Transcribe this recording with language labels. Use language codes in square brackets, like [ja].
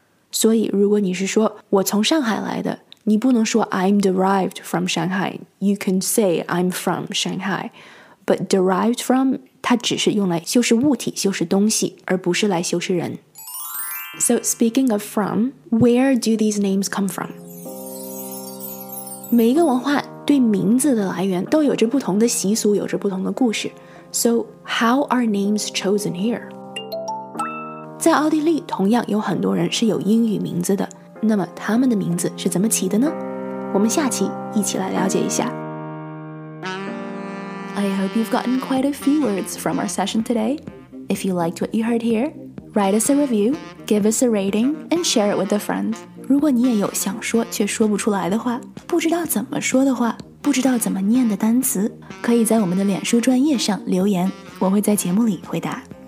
[zh] 所以如果你是说我从上海来的，你不能说 [en] I'm derived from Shanghai. You can say I'm from Shanghai. But derived from, [zh] 它只是用来修饰物体、修饰东西，而不是来修饰人。 [en] So speaking of from, where do these names come from? [zh] 每一个文化对名字的来源都有着不同的习俗，有着不同的故事。 [en] So how are names chosen here? [zh] 在奥地利，同样有很多人是有英语名字的。那么他们的名字是怎么起的呢？我们下期一起来了解一下。 [en] I hope you've gotten quite a few words from our session today. If you liked what you heard here, write us a review, give us a rating, and share it with a friend. [zh] 如果你也有想说却说不出来的话，不知道怎么说的话，不知道怎么念的单词，可以在我们的脸书专页上留言，我会在节目里回答。